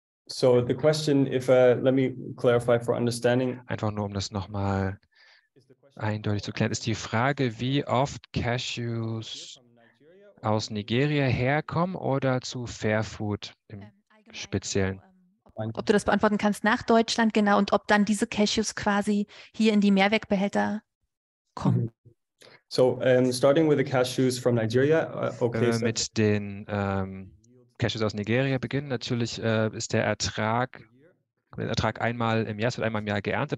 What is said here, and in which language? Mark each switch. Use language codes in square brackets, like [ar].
[en] So the question, if let me clarify for understanding. [de] Einfach nur, um das nochmal eindeutig zu klären, ist die Frage, wie oft Cashews aus Nigeria herkommen oder zu Fairfood im Speziellen? Ob du das beantworten kannst nach Deutschland, genau, und ob dann diese Cashews quasi hier in die Mehrwegbehälter kommen. [en] So, starting with the cashews from Nigeria, okay. [de] Mit den Cashews aus Nigeria beginnen. Natürlich ist der Ertrag einmal im Jahr, es wird einmal im Jahr geerntet.